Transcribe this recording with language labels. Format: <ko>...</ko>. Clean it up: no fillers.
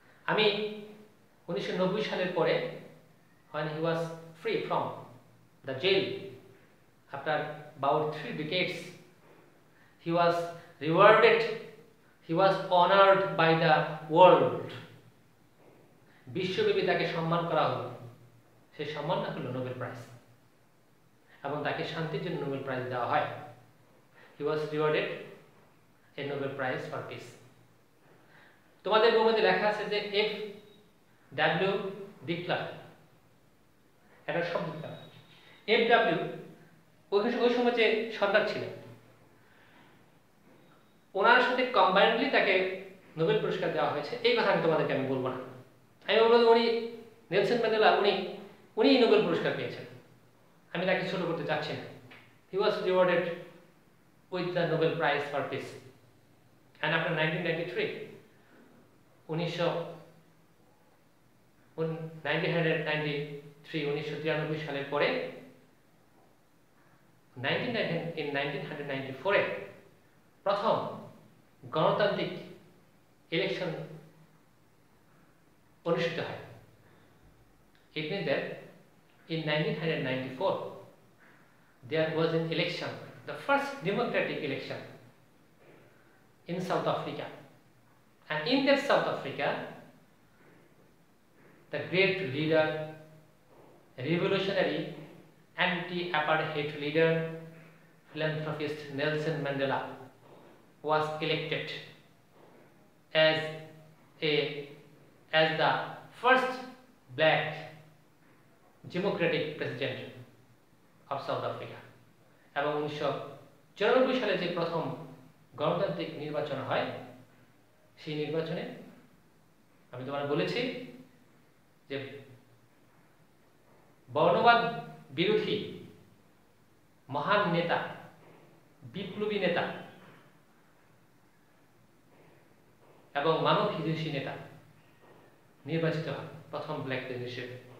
<bn>আমি 1990 সালের পরে</bn> <en>when he was free from the jail after about 3 decades he was rewarded, he was honored by the world,</en> <bn>বিশ্বব্যাপী তাকে সম্মান করা হলো। সে সম্মান না হলো নোবেল প্রাইজ এবং তাকে শান্তির জন্য নোবেল প্রাইজ দেওয়া হয়।</bn> <en>He was rewarded a Nobel prize for peace.</en> <bn>তোমাদের বইতে লেখা আছে যে এফ ডাব্লিউ ডিক্লার, একটা শব্দ এফ ডাব্লিউ ওই সময় যে সরকার ছিলেন ওনার সাথে কম্বাইন্ডলি তাকে নোবেল পুরস্কার দেওয়া হয়েছে এই কথা আমি তোমাদেরকে আমি বলবো না। আমি বলবো উনি নেলসন ম্যান্ডেলা উনি নোবেল পুরস্কার পেয়েছেন, আমি তাকে ছোট করতে চাচ্ছি না।</bn> <en>he was rewarded with the Nobel prize for peace and after 1993</en> <bn>1993 সালের পরে 1994 প্রথম গণতান্ত্রিক ইলেকশন অনুষ্ঠিত হয়।</bn> <en>It mean that in 1994 there was an election, the first democratic election in South Africa, and in that South Africa the great leader, revolutionary anti-apartheid leader, philanthropist Nelson Mandela was elected as the first black democratic president of South Africa.</en> <bn>এবং 1994 সালে যে প্রথম গণতান্ত্রিক নির্বাচন হয় সেই নির্বাচনে আমি তোমাদের বলেছি যে বর্ণবাদ বিরোধী মহান নেতা, বিপ্লবী নেতা এবং মানবহিতৈষী নেতা নির্বাচিত হন প্রথম ব্ল্যাক প্রেসিডেন্ট হিসেবে।</bn>